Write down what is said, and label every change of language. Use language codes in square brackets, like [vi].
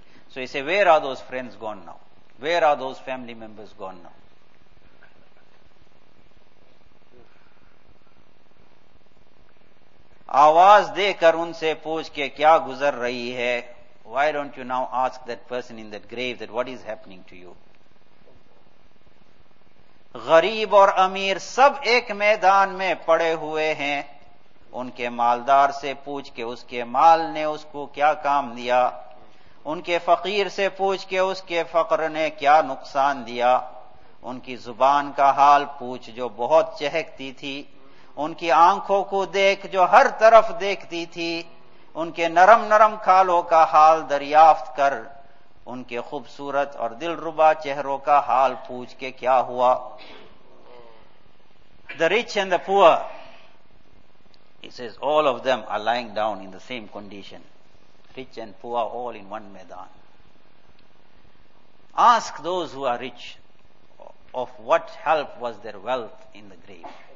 [en] So he said, where are those friends gone now? Where are those family members gone now? [ur] Awaaz dekar unse pooch ke kya guzar rahi hai. [en] Why don't you now ask that person in that grave that what is happening to you? [ur] غریب اور امیر سب ایک میدان میں پڑے ہوئے ہیں ان کے مالدار سے پوچھ کے اس کے مال نے اس کو کیا کام دیا ان کے فقیر سے پوچھ کے اس کے فقر نے کیا نقصان دیا ان کی زبان کا حال پوچھ جو بہت چہکتی تھی ان کی آنکھوں کو دیکھ جو ہر طرف دیکھتی تھی ان کے نرم نرم کھالوں کا حال دریافت کر ان کے خوبصورت اور دل ربا چہروں کا حال پوچھ کے کیا ہوا. [en] The rich and the poor, he says, all of them are lying down in the same condition. Rich and poor, all in one maidan. Ask those who are rich of what help was their wealth in the grave.